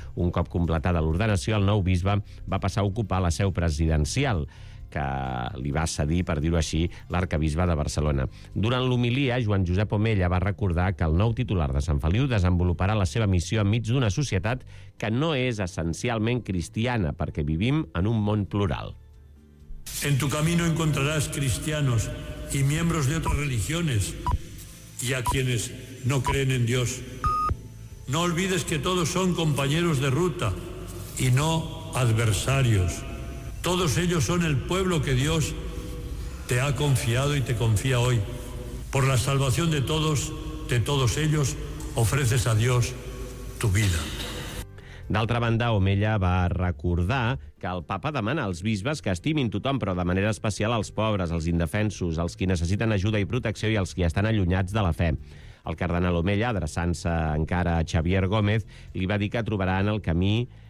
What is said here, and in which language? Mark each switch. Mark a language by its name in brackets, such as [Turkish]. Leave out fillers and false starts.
[Catalan] Un cop completada l'ordenació, el nou bisbe va passar a ocupar la seu presidencial, que li va cedir, per dir-ho així, l'arcabisbe de Barcelona. Durant l'homilia, Joan Josep Omella va recordar que el nou titular de Sant Feliu desenvoluparà la seva missió enmig d'una societat que no és essencialment cristiana, perquè vivim en un món plural. [Spanish] En tu camino encontrarás cristianos y miembros de otras religiones y a quienes no creen en Dios. No olvides que todos son compañeros de ruta y no adversarios. Todos ellos son el pueblo que Dios te ha confiado y te confía hoy. Por la salvación de todos ellos, ofreces a Dios tu vida. [Catalan] D'altra banda, Omella va recordar que el Papa demana als bisbes que estimin tothom, però de manera especial els pobres, els indefensos, els qui necessiten ajuda i protecció i els qui estan allunyats de la fe. El cardenal Omella, adreçant-se encara a Xavier Gómez, li va dir que trobaran el camí